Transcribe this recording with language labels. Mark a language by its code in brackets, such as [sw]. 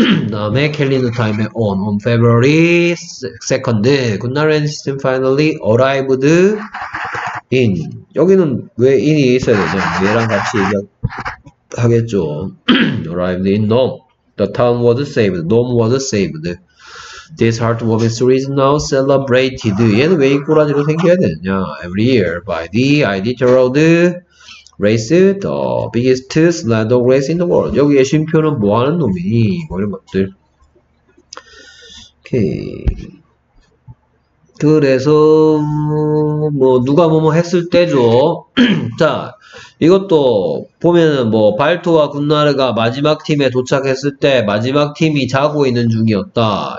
[ko] 다음에 캘린더 타임에 [en] on February 2nd, Gunnar and his team finally arrived in. [ko] 여기는 왜 in이 있어야 되죠? 얘랑 같이 얘기하겠죠. [en] arrived in Nome. The town was saved. Nome was saved. This heartwarming story is now celebrated. [ko] 얘는 왜이 꼬라지로 생겨야 되느냐? [en] Every year by the Iditarod Race, the biggest sled dog race in the world. [ko] 여기에 쉼표는 뭐 하는 놈이니? 뭐 이런 것들. 오케이. 그래서, 뭐, 누가 뭐뭐 했을 때죠. 자, 이것도 보면은 뭐, 발토와 군나르가 마지막 팀에 도착했을 때, 마지막 팀이 자고 있는 중이었다.